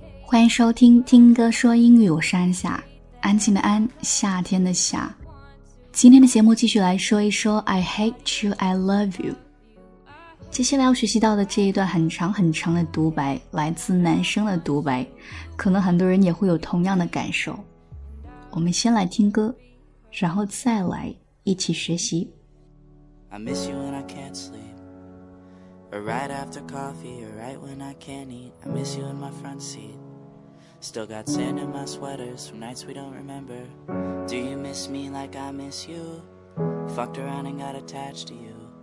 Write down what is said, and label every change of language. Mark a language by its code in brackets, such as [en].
[zh] 欢迎收听听歌说英语，我是安夏，安静的安，夏天的夏。今天的节目继续来说一说 [en] I hate you, I love you。 [zh] 接下来要学习到的这一段很长很长的独白来自男生的独白，可能很多人也会有同样的感受。我们先来听歌，然后再来一起学习。 [en] I miss you when I can't sleepRight after coffee, or right when I can't eat. I miss you in my front seat. Still got sand in my sweaters from nights we don't remember. Do you miss me like I miss you? Fucked around and got attached to you.